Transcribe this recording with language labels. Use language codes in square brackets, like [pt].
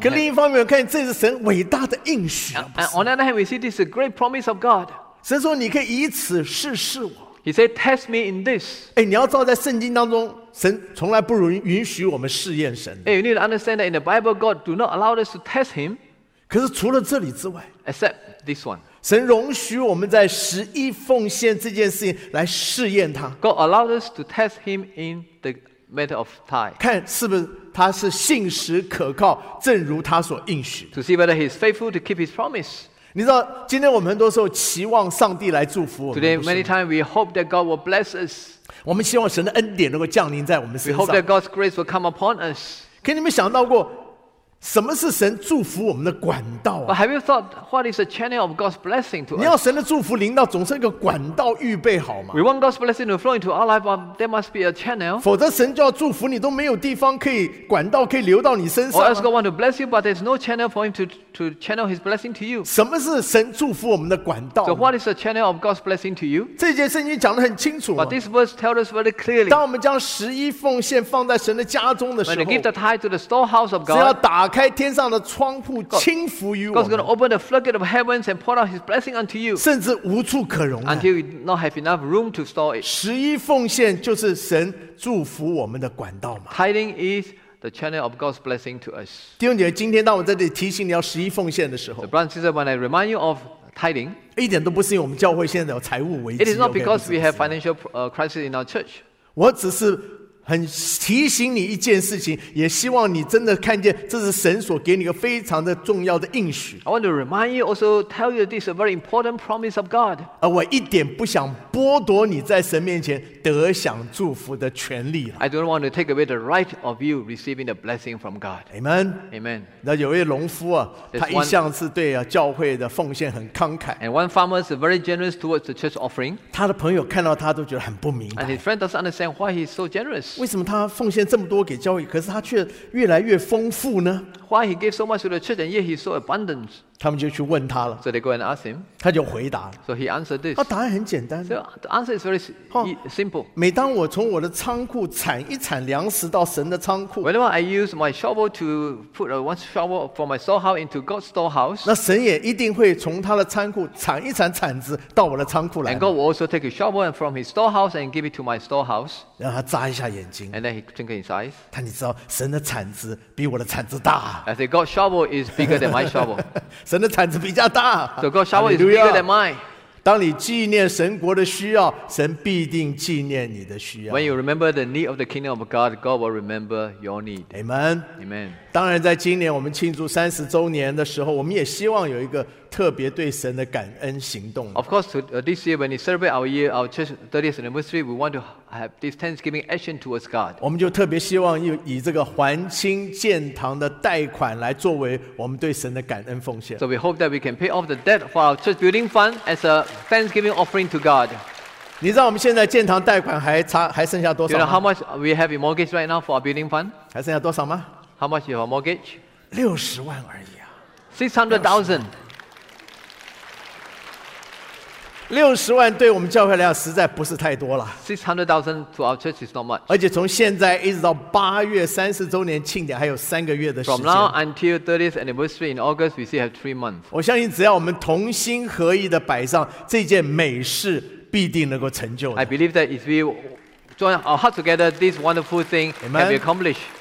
[zh] 可另一方面看见这是神伟大的应许。 [en] And on the other hand we see this is a great promise of God. [zh] 神说你可以以此试试我。 [en] He said, "Test me in this." [zh] 哎，你要知道，在圣经当中，神从来不允许我们试验神。 [en] Hey, you need to understand that in the Bible, God do not allow us to test Him. [zh] 可是除了这里之外 [en] ，except this one, [zh] 神容许我们在十一奉献这件事情来试验他。 [en] God allows us to test Him in the matter of tithe. [zh] 看是不是他是信实可靠，正如他所应许。 [en] To see whether He is faithful to keep His promise. [zh] 你知道，今天我们很多时候期望上帝来祝福我们。 [en] Today, many times we hope that God will bless us. [zh] 我们希望神的恩典能够降临在我们身上。 [en] We hope that God's grace will come upon us. [zh] 可你们想到过，什么是神祝福我们的管道、啊、 [en] But have you thought what is the channel of God's blessing to us? [zh] 你要神的祝福临到总是一个管道预备好吗 [en] We want God's blessing to flow into our life, but there must be a channel. [zh] 否则神就要祝福你都没有地方可以管道可以流到你身上、 [en] 啊。Or else God want to bless you, but there's no channel for him to channel his blessing to you. [zh] 什么是神祝福我们的管道 [en] So what is the channel of God's blessing to you? [zh] 这节圣经讲得很清楚、啊、 [en] But this verse tells us very clearly. [zh] 当我们将十一奉献放在神的家中的时候 [en] When you give the tithe to the storehouse of God, [zh] 只要打开开天上的窗户倾覆于我们 [en] God's going to open the floodgate of heavens and pour out his blessing unto you [zh] 甚至无处可容、啊、 [en] until you not have enough room to store it [zh] 十一奉献就是神祝福我们的管道嘛 [en] Tithing is the channel of God's blessing to us [zh] 弟兄姐妹今天当我在这里提醒你要十一奉献的时候 [en] So brothers and sisters when I remind you of tithing [zh] 一点都不是因为我们教会现在有财务危机 [en] It is not because we have financial crisis in our church [zh] 我只是很提醒你一件事情也希望你真的看见这是神所给你一个非常的重要的应许 [en] I want to remind you also tell you this is a very important promise of God [zh] 而我一点不想剥夺你在神面前得享祝福的权利 [en] I don't want to take away the right of you receiving the blessing from God Amen Amen [zh] 那有位农夫啊他一向是对、啊、教会的奉献很慷慨 [en] And one farmer is very generous towards the church offering [zh] 他的朋友看到他都觉得很不明白 [en] And his friend doesn't understand why he's so generous [zh] 为什么他奉献这么多给教会可是他却越来越丰富呢 [en] Why he gave so much to the church and yet he's so abundant [zh] 他们就去问他了 [en] So they go and ask him [zh] 他就回答 [en] So he answered this [zh] 他答案很简单 [en] So the answer is very simple [zh] 每当我从我的仓库铲一铲粮食到神的仓库 [en] Whenever I use my shovel to put one shovel from my storehouse into God's storehouse [zh] 那神也一定会从他的仓库铲一铲铲子到我的仓库来 [en] And God will also take a shovel from his storehouse and give it to my storehouse [zh] 让他眨一下眼睛 [en] And then he twinkled his eyes [zh] 他你知道神的铲子比我的铲子大 [en] I said God's shovel is bigger than my shovel [zh] 神的铲子比较大 [en] So God's shovel is bigger than mine [zh] 当你纪念神国的需要神必定纪念你的需要 [en] When you remember the need of the kingdom of God God will remember your need Amen Amen [zh] 当然在今年我们庆祝三十周年的时候我们也希望有一个特别对神的感恩行动 [en] Of course this year when we celebrate our year our church 30th anniversary we want to have this thanksgiving action towards God [zh] 我们就特别希望以这个还清建堂的贷款来作为我们对神的感恩奉献 [en] So we hope that we can pay off the debt for our church building fund as a thanksgiving offering to God [zh] 你知道我们现在建堂贷款 还剩下多少吗 [en] Do you know how much we have in mortgage right now for our building fund [zh] 还剩下多少吗 [en] How much your mortgage [zh] 60万而已啊 [en] 600,000 [zh] 六十万对我们教会来讲实在不是太多了。 [en] 600,000 to our church is not much. [zh] 而且从现在一直到八月三十周年庆典还有三个月的时间。 [en] From now until 30th anniversary in August, we still have 3 months. [zh] 我相信只要我们同心合意的摆上这件美事，必定能够成就的。 [en] I believe that if we join our hearts together, this wonderful thing can be accomplished.